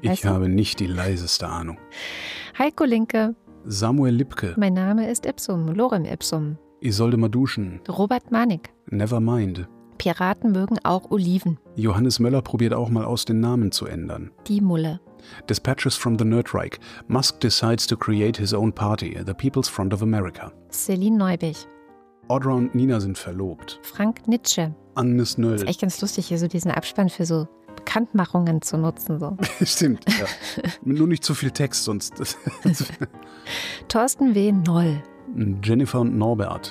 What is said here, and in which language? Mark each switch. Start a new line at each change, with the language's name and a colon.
German: ich habe nicht die leiseste Ahnung. Heiko Linke. Samuel Lipke. Mein Name ist Ipsum, Lorem Ipsum. Isolde Maduschen. Robert Manik.
English: Nevermind.
German: Piraten mögen auch Oliven. Johannes Möller probiert auch mal aus, den Namen zu ändern. Die Mulle.
English: Dispatches from the Nerdreich. Musk decides to create his own party, the People's Front of America.
German: Celine Neubich. Audra und Nina sind verlobt. Frank Nitsche. Agnes Nöll. Ist echt ganz lustig, hier so diesen Abspann für so Bekanntmachungen zu nutzen. So. Stimmt, ja. Nur nicht zu viel Text, sonst. Thorsten W. Noll. Jennifer und Norbert.